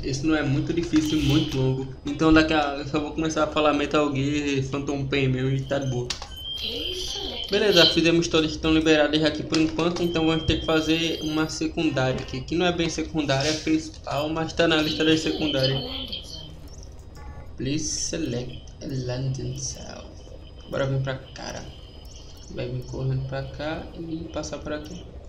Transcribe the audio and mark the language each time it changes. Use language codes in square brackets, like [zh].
[pt] Esse não é muito difícil e muito longo, então daqui a pouco eu só vou começar a falar Metal Gear Phantom Pain mesmo e tá de boa. Beleza, fizemos todas que estão liberadas aqui por enquanto, então vamos ter que fazer uma secundária aqui, que não é bem secundária, é principal, mas tá na lista das secundárias. [en] Please select a landing cell. [pt] Bora vir pra cá. Vai vir correndo pra cá e passar por aqui.